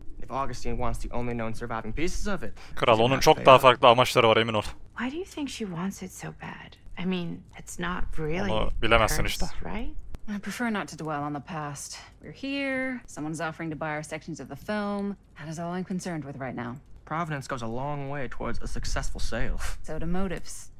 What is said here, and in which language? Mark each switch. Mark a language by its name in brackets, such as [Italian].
[English] Augustine wants the only known surviving pieces of it. [Turkish] Kral, onun çok daha farklı amaçları var, emin ol. [English] Why do you think she wants it so bad? I mean, it's not really. [Turkish] Onu bilemezsin [English] cursed, [Turkish] işte. [English] Right? I prefer not to dwell on the past. We're here. Someone's offering to buy our sections of the film. That is all I'm concerned with right now. Providence goes a long way towards a successful sale. So do motives.